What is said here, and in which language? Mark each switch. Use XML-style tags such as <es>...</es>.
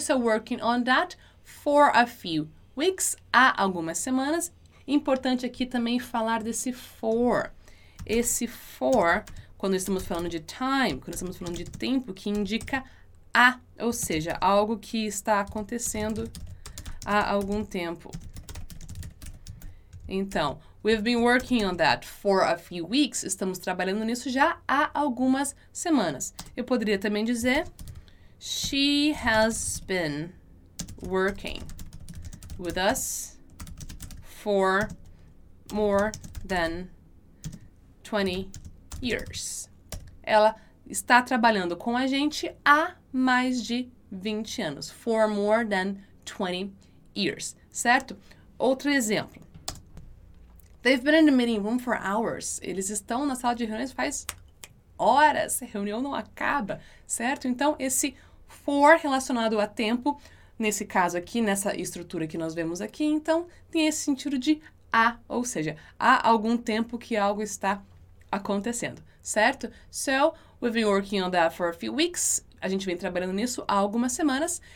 <en>So, working on that for a few weeks,</en> <pt>há algumas semanas. Importante aqui também falar desse for. esse for quando estamos falando de time, quando estamos falando de tempo, que indica a, ou seja, algo que está acontecendo há algum tempo. Então,</pt> <en>we've been working on that for a few weeks.</en> <pt>Estamos trabalhando nisso já há algumas semanas. Eu poderia também dizer,</pt> <en>she has been working with us for more than 20 years.</en> <pt>Ela está trabalhando com a gente há mais de 20 anos.</pt> <en>For more than 20 years,</en> <pt>certo? Outro exemplo.</pt> <en>They've been in the meeting room for hours.</en> <pt>Eles estão na sala de reuniões faz horas. A reunião não acaba, certo? Então, esse for relacionado a tempo, nesse caso aqui, nessa estrutura que nós vemos aqui, então, tem esse sentido de há, ou seja, há algum tempo que algo está acontecendo, certo?</pt> <en>So, we've been working on that for a few weeks.</en> <pt>A gente vem trabalhando nisso há algumas semanas.</pt>